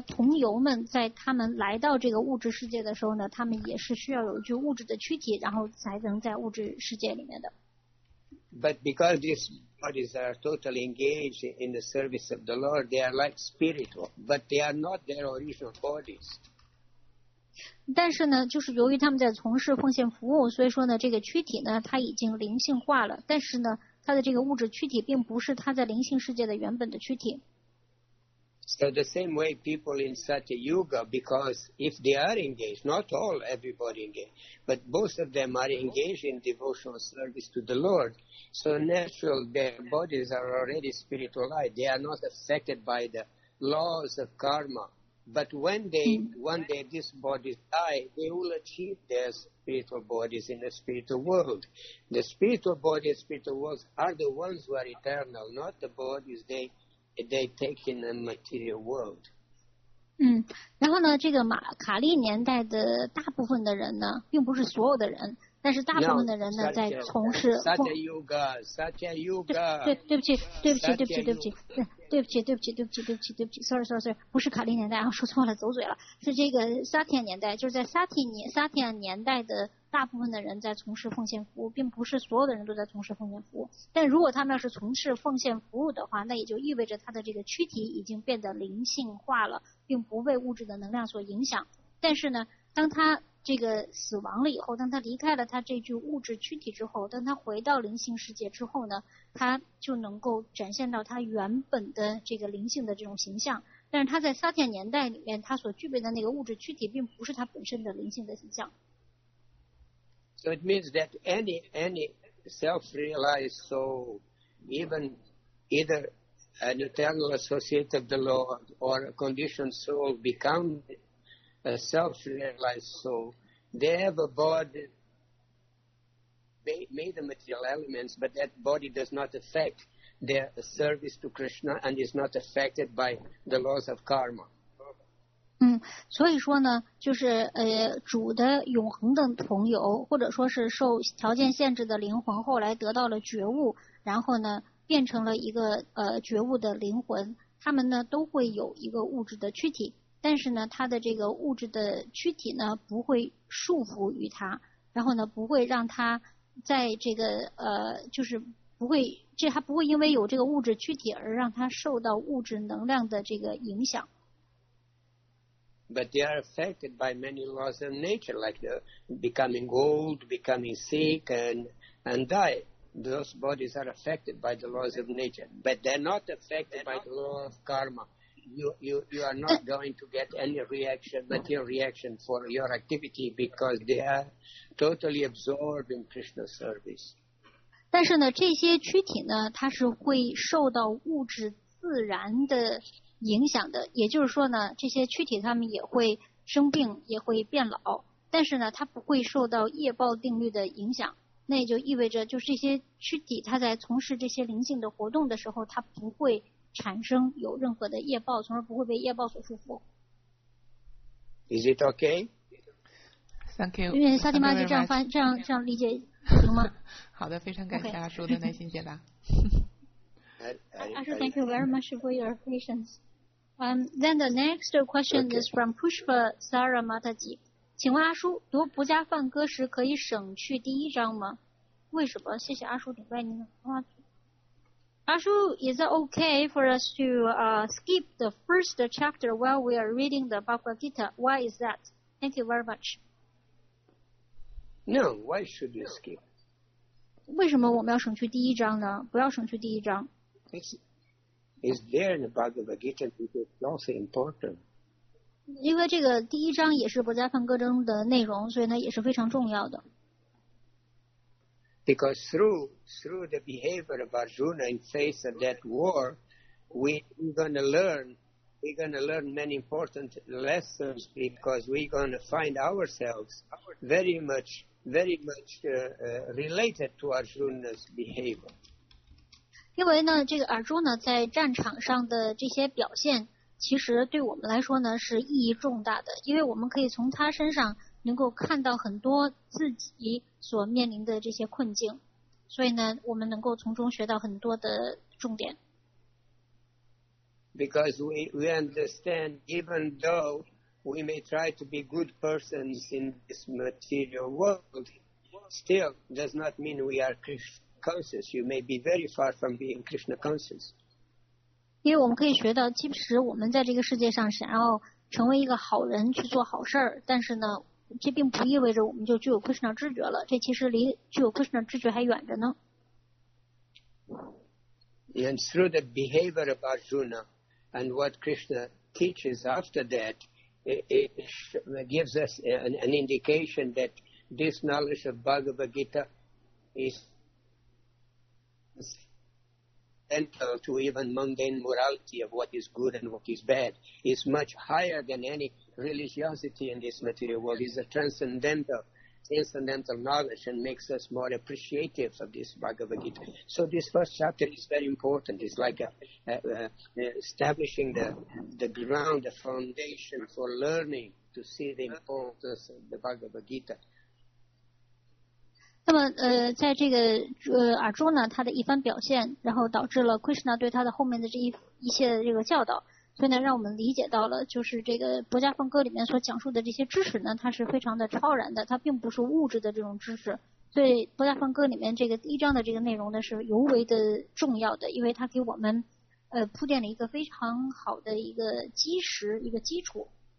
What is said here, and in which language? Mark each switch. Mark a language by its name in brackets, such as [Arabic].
[Chinese] 同游们在他们来到这个物质世界的时候呢，他们也是需要有一具物质的躯体，然后才能在物质世界里面的。 [English] But because these bodies are totally engaged in the service of the Lord, they are like spiritual, but they are not their original bodies. [Chinese] 但是呢，就是由于他们在从事奉献服务，所以说呢，这个躯体呢，它已经灵性化了，但是呢。他的这个物质躯体并不是他在灵性世界的原本的躯体。 [English] So the same way people in Satya Yuga, because if they are engaged, not all everybody engaged, but most of them are engaged in devotional service to the Lord, so natural their bodies are already spiritualized. They are not affected by the laws of karma. But when they, one day these bodies die, they will achieve their spiritual bodies in the spiritual world. The spiritual bodies, spiritual worlds are the ones who are eternal, not the bodies they take in the material world. [Chinese] 然后呢，这个马卡利年代的大部分的人呢，并不是所有的人，但是大部分的人呢，在从事。 [English] Satya Yuga. [Chinese] 对不起。对不起，对不起，对不起，对不起，对不起 ， [English] sorry， [Chinese] 不是卡利年代，说错了，走嘴了，是这个萨提亚年代，就是在萨提亚年代的大部分的人在从事奉献服务，并不是所有的人都在从事奉献服务。但如果他们要是从事奉献服务的话，那也就意味着他的这个躯体已经变得灵性化了，并不被物质的能量所影响。但是呢，当他这个死亡了以后，当他离开了他这具物质躯体之后，当他回到灵性世界之后呢，他就能够展现到他原本的这个灵性的这种形象。但是他在萨提亚年代里面，他所具备的那个物质躯体并不是他本身的灵性的形象。 [English] So it means that any self-realized soul, even either an eternal associate of the Lord or a conditioned soul, becomeA self-realized soul, they have a body made of material elements, but that body does not affect their service to Krishna and is not affected by the laws of karma. [Chinese] 所以说呢，就是主的永恒的同游，或者说是受条件限制的灵魂，后来得到了觉悟，然后呢，变成了一个觉悟的灵魂，他们呢都会有一个物质的躯体。但是呢，他的这个物质的躯体呢，不会束缚于他，然后呢，不会让他在这个就是不会，这他不会因为有这个物质躯体而让他受到物质能量的这个影响。 [English] But they are affected by many laws of nature, like the becoming old, becoming sick, and die. Those bodies are affected by the laws of nature, but they're not affected by the law of karma. You are not going to get any reaction, material reaction for your activity because they are totally absorbed in Krishna's service. [Chinese] 但是呢，这些躯体呢，它是会受到物质自然的影响的。也就是说呢，这些躯体它们也会生病，也会变老。但是呢，它不会受到业报定律的影响。那也就意味着，就是这些躯体它在从事这些灵性的活动的时候，它不会。产生有任何的业报，从而不会被业报所束缚。 [English] Is it okay? Thank you. [Chinese] 因为萨提玛就这样理解行吗？好的，非常感谢阿叔的耐心解答。 [English] 阿叔 ，Thank you very much for your patience. Then the next question is from Pushpa Sara Mataji. [Chinese] 请问阿叔，读不加梵歌时可以省去第一章吗？为什么？谢谢阿叔，顶拜您的话。 [English] Ashu, is it okay for us to skip the first chapter while we are reading the Bhagavad Gita? Why is that? Thank you very much. No, why should you skip? [Chinese] 为什么我们要省去第一章呢？不要省去第一章。 [English] It's there in the Bhagavad Gita, but it's also important. [Chinese] 因为这个第一章也是《不加梵歌》中的内容，所以呢也是非常重要的。 [English] Because through the behavior of Arjuna in face of that war, we're going to learn many important lessons, because we're going to find ourselves very much related to Arjuna's behavior. [Chinese] 因为呢，这个尔朱呢在战场上的这些表现，其实对我们来说呢是意义重大的，因为我们可以从他身上能够看到很多自己所面临的这些困境，所以呢，我们能够从中学到很多的重点。 [English] Because we understand, even though we may try to be good persons in this material world, still does not mean we are Krishna conscious. You may be very far from being Krishna conscious. [Chinese] 因为我们可以学到，即使我们在这个世界上想要成为一个好人去做好事儿，但是呢，这并不意味着我们就具有 Krishna 知觉了。这其实离具有 Krishna 知觉还远着呢。 [English] And through the behavior of Arjuna and what Krishna teaches after that, it gives us an indication that this knowledge of Bhagavad Gita is and to even mundane morality of what is good and what is bad is much higher than any religiosity in this material world. It's a transcendental knowledge and makes us more appreciative of this Bhagavad Gita. So this first chapter is very important. It's like establishing the ground, the foundation for learning to see the importance of the Bhagavad Gita. [Chinese] 那么在这个尔朱呢他的一番表现，然后导致了 Krishna 对他的后面的这一切的这个教导，所以呢让我们理解到了，就是这个《薄伽梵歌》里面所讲述的这些知识呢，它是非常的超然的，它并不是物质的这种知识，所以《薄伽梵歌》里面这个第一章的这个内容呢是尤为的重要的，因为它给我们铺垫了一个非常好的一个基石，一个基础。